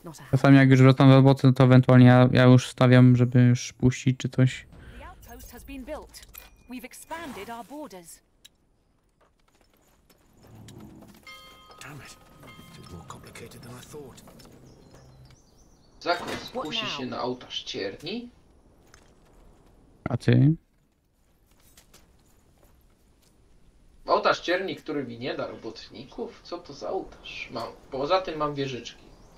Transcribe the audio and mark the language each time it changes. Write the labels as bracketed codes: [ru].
[pl] Czasami jak już wracam do roboty, no to ewentualnie ja już stawiam, żeby już puścić czy coś. [en] been built. We've expanded our borders. Damn it. It's more complicated than I thought. [pl] Zakon skusi się na ołtarz cierni. A ty? Ołtarz cierni, który mi nie da robotników? Co to za ołtarz? Mam, poza tym mam wieżyczki.